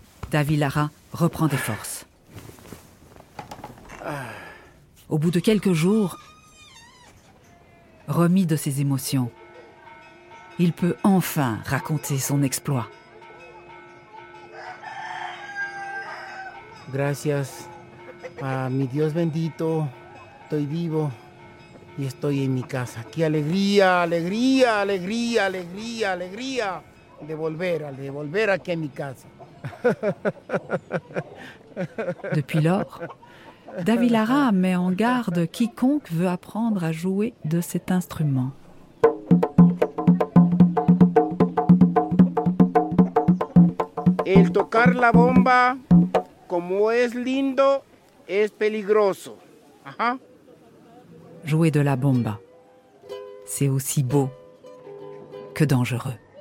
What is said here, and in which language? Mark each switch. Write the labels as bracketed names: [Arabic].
[French] David Lara reprend des forces. Au bout de quelques jours, remis de ses émotions, il peut enfin raconter son exploit. [Spanish] Gracias a mi Dios bendito, estoy vivo y estoy en mi casa. Qué alegría, alegría, alegría, alegría, alegría de volver aquí a mi casa. [French] Depuis lors, David Lara met en garde quiconque veut apprendre à jouer de cet instrument. [Spanish] El tocar la bomba, como es lindo, es peligroso. Ajá. [French] Jouer de la bomba, c'est aussi beau que dangereux.